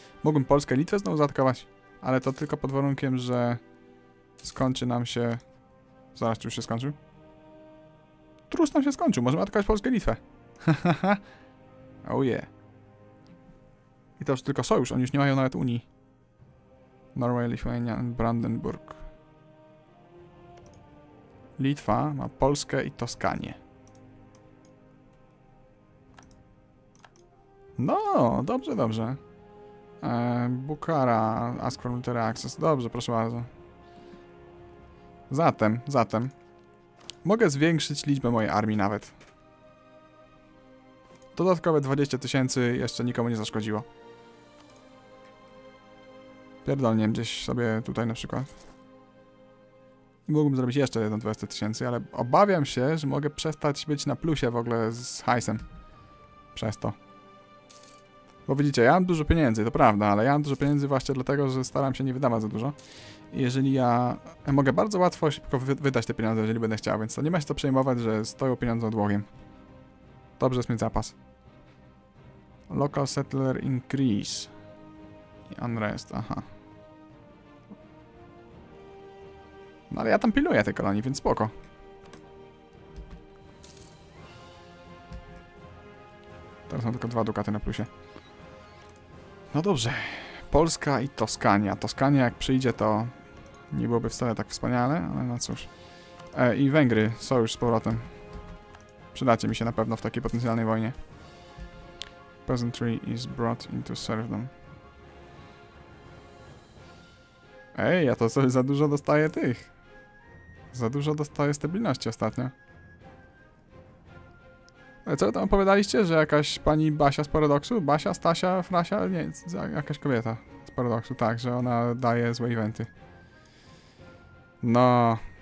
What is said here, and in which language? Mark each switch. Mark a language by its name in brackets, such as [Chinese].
[Polish] Mógłbym Polskę i Litwę znowu zaatakować, ale to tylko pod warunkiem, że skończy nam się... Zaraz, czy już się skończył? Trus nam się skończył, możemy atakować Polskę i Litwę. [English] Oh yeah. [Polish] I to już tylko sojusz, oni już nie mają nawet Unii. [English] Norway, Lithuania and Brandenburg. [Polish] Litwa ma Polskę i Toskanię. No, dobrze, dobrze. [English] Bukhara, ask for military access. [Polish] Dobrze, proszę bardzo. Zatem. Mogę zwiększyć liczbę mojej armii nawet. Dodatkowe 20 tysięcy jeszcze nikomu nie zaszkodziło. Pierdolnie gdzieś sobie tutaj na przykład. Mógłbym zrobić jeszcze jedno 20 tysięcy, ale obawiam się, że mogę przestać być na plusie w ogóle z hajsem. Przez to. Bo widzicie, ja mam dużo pieniędzy, to prawda, ale ja mam dużo pieniędzy właśnie dlatego, że staram się nie wydawać za dużo. I jeżeli ja mogę bardzo łatwo szybko wydać te pieniądze, jeżeli będę chciał, więc to nie ma się co przejmować, że stoją pieniądze odłogiem. Dobrze, jest mieć zapas. [English] Local settler increase. Unrest, aha. [Polish] No ale ja tam piluję tej kolonii, więc spoko. Teraz mam tylko dwa dukaty na plusie. No dobrze. Polska i Toskania. Toskania jak przyjdzie, to nie byłoby wcale tak wspaniale, ale no cóż. I Węgry są już z powrotem. Przydacie mi się na pewno w takiej potencjalnej wojnie. [English] Peasantry is brought into serfdom. [Polish] Ej, ja to sobie za dużo dostaję tych. Za dużo dostaję stabilności ostatnio. Ale co wy tam opowiadaliście, że jakaś pani Basia z Paradoksu? Basia, Stasia, Frasia? Nie, jakaś kobieta z Paradoksu, tak, że ona daje złe eventy. No...